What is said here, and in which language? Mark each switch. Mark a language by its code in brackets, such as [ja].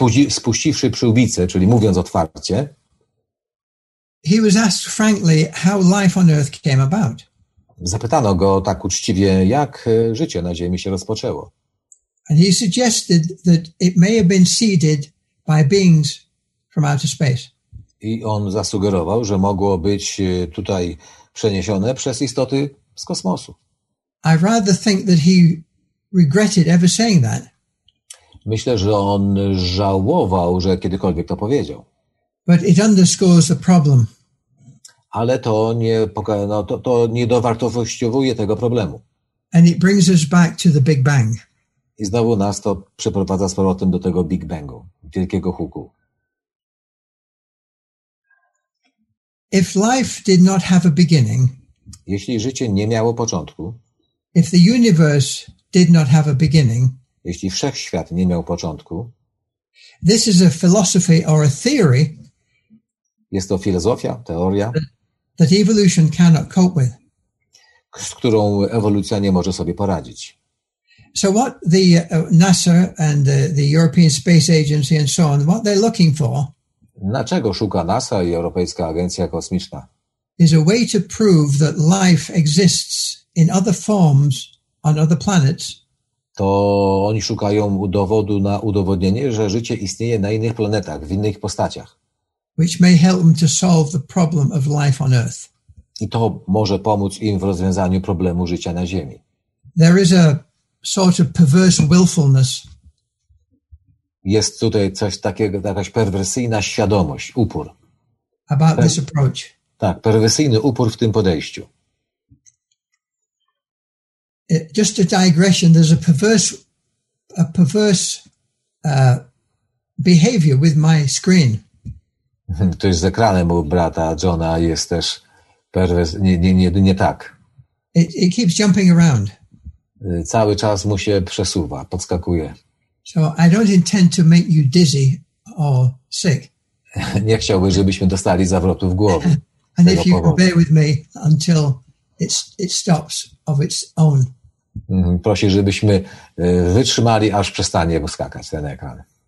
[pl] spuściwszy przyłbicę, czyli mówiąc otwarcie, [en] he was asked frankly how life on Earth came about. [pl] Zapytano go tak uczciwie, jak życie na ziemi się rozpoczęło. [en] And he suggested that it may have been seeded by beings from outer space. [pl] I on zasugerował, że mogło być tutaj przeniesione przez istoty z kosmosu. [en] I rather think that he regretted ever saying that. [pl] Myślę, że on żałował, że kiedykolwiek to powiedział. [en] But it underscores the problem. [pl] Ale to nie, no, to nie dowartościowuje tego problemu. [en] And it brings us back to the Big Bang. [pl] I znowu nas to przeprowadza z powrotem do tego Big Bangu, wielkiego huku. [en] If life did not have a beginning, [pl] jeśli życie nie miało początku, [en] if the universe did not have a beginning, [pl] jeśli wszechświat nie miał początku, [en] this is a philosophy or a theory, [pl] jest to filozofia, teoria, [en] that evolution cannot cope with, [pl] z którą ewolucja nie może sobie poradzić. [en] So what the NASA and the European Space Agency and so on, what they're looking for, [pl] na czego szuka NASA i Europejska Agencja Kosmiczna, [en] is a way to prove that life exists in other forms on other planets. [pl] To oni szukają dowodu na udowodnienie, że życie istnieje na innych planetach, w innych postaciach. [en] Which may help them to solve the problem of life on Earth. [pl] I to może pomóc im w rozwiązaniu problemu życia na Ziemi. [en] There is a sort of perverse willfulness. [pl] Jest tutaj coś takiego, jakaś perwersyjna świadomość, upór. [en] About this approach. [pl] Tak, perwersyjny upór w tym podejściu. [en] Just a digression, there's a perverse behavior with my screen. [pl] To jest z ekranem u brata Johna, jest też perwers... Nie tak. [en] It keeps jumping around. [pl] Cały czas mu się przesuwa, podskakuje. [en] So I don't intend to make you dizzy or sick. [pl] Nie chciałbym, żebyśmy dostali zawrotu w głowie. [en] And if you bear with me until it stops of its own. [pl] Prosi, żebyśmy wytrzymali, aż przestanie mu skakać ten ekran.